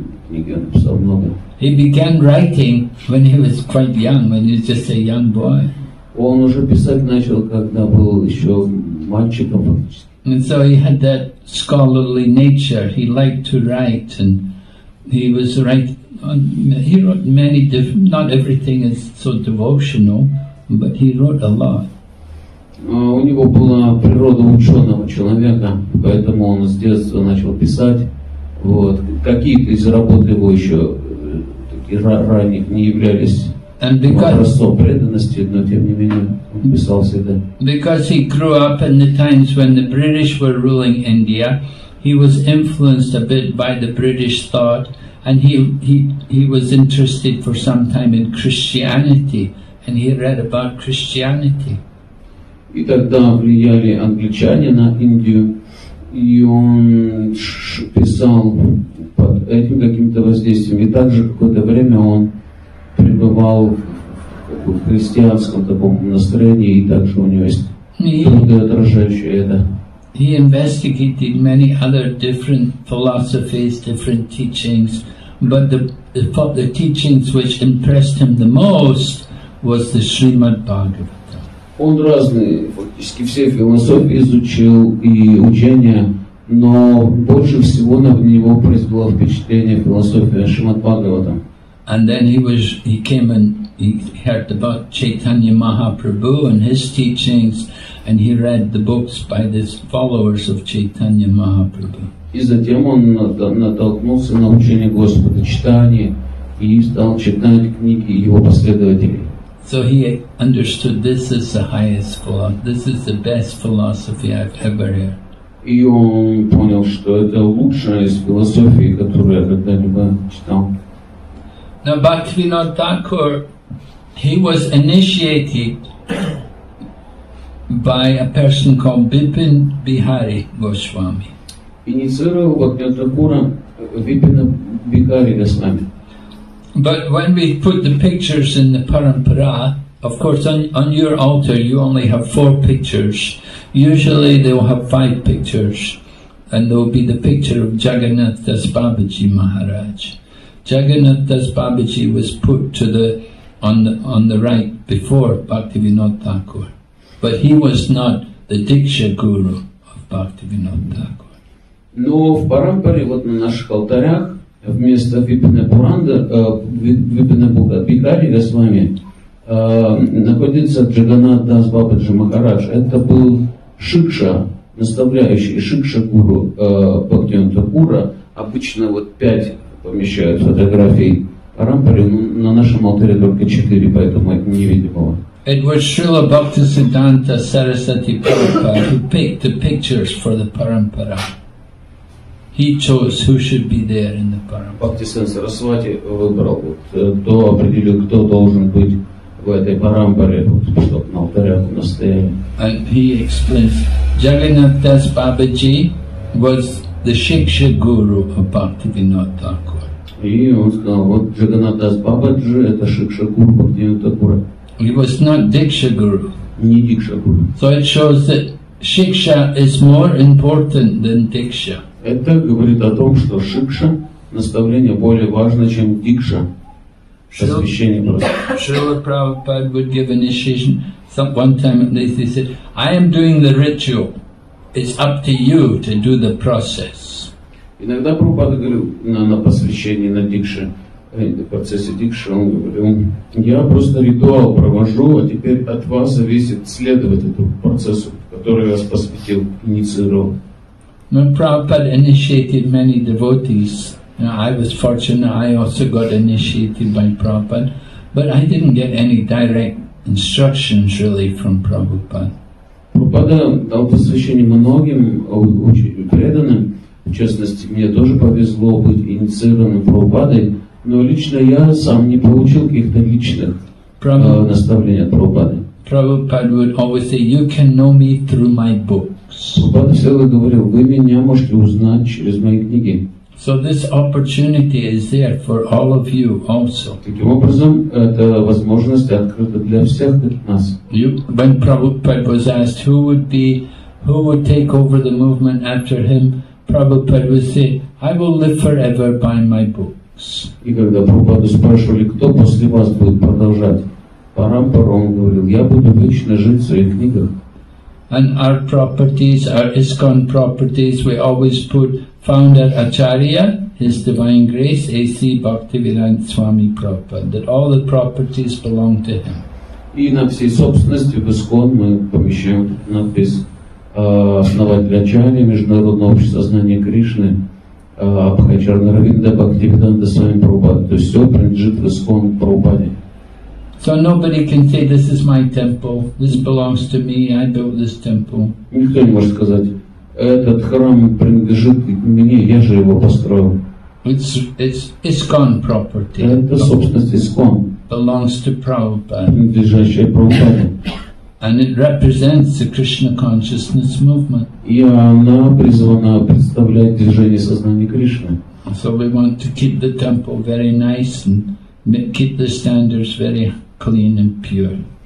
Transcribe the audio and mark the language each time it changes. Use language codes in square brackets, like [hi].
[en] He began writing when he was quite young, when he was just a young boy. [ru] Он уже писать начал, когда был еще мальчиком. [en] And so he had that scholarly nature. He liked to write, and he was writing. He wrote many different. Not everything is so devotional, but he wrote a lot. [ru] У него была природа ученого человека, поэтому он с детства начал писать. Вот. Какие-то из работ его еще такие ранних не являлись образцом преданности, но тем не менее он писал всегда. [en] Because he grew up in the times when the British were ruling India, he was influenced a bit by the British thought, and he was interested for some time in Christianity, and he read about Christianity. [ru] И тогда влияли англичане на Индию. И он писал под этим каким-то воздействием. И также какое-то время он пребывал в христианском таком настроении, и также у него есть труды, отражающие это. [en] He investigated many other different philosophies, different teachings, but the teachings which impressed him the most was the Srimad Bhagavatam. [ru] Он разные, фактически все философии изучил и учения, но больше всего на него произвело впечатление философия Шримад-Бхагаватам. [en] And then he came and he heard about Chaitanya Mahaprabhu and his teachings, and he read the books by the followers of Chaitanya Mahaprabhu. [ru] И затем он натолкнулся на учение Господа, читание, и стал читать книги его последователей. [en] So he understood this is the highest philosophy, this is the best philosophy I've ever heard. [ru] И он понял, что это лучшая из философий, которую я когда-либо читал. [en] Now Bhaktivinoda Thakur, he was initiated by a person called Bipin Bihari Goswami. [ru] Инициировал Бхактивинода Такура Бипина Бихари Госвами. [en] But when we put the pictures in the parampara, of course on your altar you only have four pictures. Usually they will have five pictures, and there will be the picture of Jagannath Das Babaji Maharaj. Jagannath Das Babaji was put to the on the right before Bhaktivinoda Thakur. But he was not the Diksha Guru of Bhaktivinoda Thakur. No, [ru] в парампаре, вот на наших алтарях, вместо Випина Бога Бихари Госвами находится Джаганнат Дас Бабаджи Махарадж. Это был Шикша, наставляющий Шикша Гуру Бхактивинода Такура. Обычно вот пять помещают фотографий Парампари, но на нашем алтаре только четыре, поэтому это невидимого. [en] It was Srila Bhaktisiddhanta Sarasati Prabhupada who picked the pictures for the Parampara. He chose who should be there in the parampara. [ru] Бхактисиддханта Сарасвати выбрал, кто определил, кто должен быть в этой парампаре, чтобы на алтарях у нас стояли. [en] And he explains, Jagannath Das Babaji was the Shiksha Guru of Bhaktivinoda Thakur. [ru] И он сказал, вот Jagannath Das Babaji это Shiksha Guru Bhaktivinoda Thakur. [en] He was not Diksha Guru. [ru] Не Диксха Гуру. [en] So it shows that Shiksha is more important than Diksha. [ru] Это говорит о том, что шикша, наставление, более важно, чем дикша. [en] Srila Prabhupada would give initiation. Some, one time at least he said, I am doing the ritual. It's up to you to do the process. [ru] Иногда Прабхупада говорил на посвящении, на дикше, в процессе дикши, он говорил, я просто ритуал провожу, а теперь от вас зависит следовать этому процессу, который я вас посвятил, инициировал. [en] When Prabhupada initiated many devotees, you know, I was fortunate, I also got initiated by Prabhupada, but I didn't get any direct instructions really from Prabhupada. [ru] Прабхупада дал посвящение многим преданным, в частности, мне тоже повезло быть инициированным Прабхупадой, но лично я сам не получил каких-то личных наставлений от Прабхупады. [en] Prabhupada would always say, you can know me through my books. [ru] Прабхупада всегда говорил, вы меня можете узнать через мои книги. [en] So this opportunity is there for all of you also. [ru] Таким образом, эта возможность открыта для всех нас. [en] When Prabhupada was asked who would take over the movement after him, Prabhupada would say, I will live forever by my books. [ru] И когда Прабхупаду спрашивали, кто после вас будет продолжать парампару, он говорил, я буду вечно жить в своих книгах. [en] And our properties, our ISKCON properties, we always put founder Acharya, His Divine Grace, A.C. Bhaktivinoda Swami Prabhupada, that all the properties belong to Him. [ru] И на всей собственности в ИСКОН мы помещаем надпись основатель Ачарьи, Международного общества знания Кришны, Абхачарна Равинда, Бхактивинода Свами Прабхупада. То есть все принадлежит в ИСКОН Прабхупаде. [en] So nobody can say, this is my temple, this belongs to me, I built this temple. [ru] Никто не может сказать, этот храм принадлежит мне, я же его построил. [en] It's ISKCON property. [ru] Это собственность ISKCON. [en] Belongs to Prabhupada. [ru] Принадлежащая Прабхупаде. [en] And it represents the Krishna consciousness movement. [ru] И она призвана представлять движение сознания Кришны. [en] So we want to keep the temple very nice and keep the standards very clean and pure.